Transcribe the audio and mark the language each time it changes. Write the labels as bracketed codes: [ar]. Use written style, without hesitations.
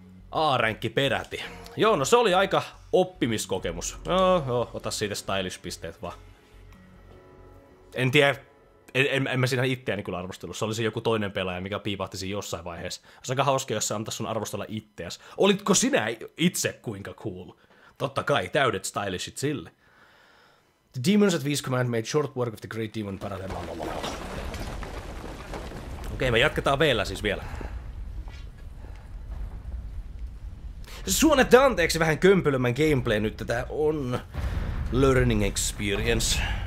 [fi] A-ränkki peräti. Joo, no se oli aika oppimiskokemus. Ota siitä stylish-pisteet vaan. En tiedä, en mä siinä itseäni kyllä arvostellut. Se olisi joku toinen pelaaja, mikä piipahtisi jossain vaiheessa. Se on aika hauska, jos sä antais sun arvostella itseäsi. Olitko sinä itse kuinka cool? Totta kai, täydet stylishit sille. [en] The demons at V's command made short work of the great demon parallel. [fi] Okei, me jatketaan V:llä siis vielä. Suonette anteeksi vähän kömpelömmän gameplay nyt, tää on [en] learning experience.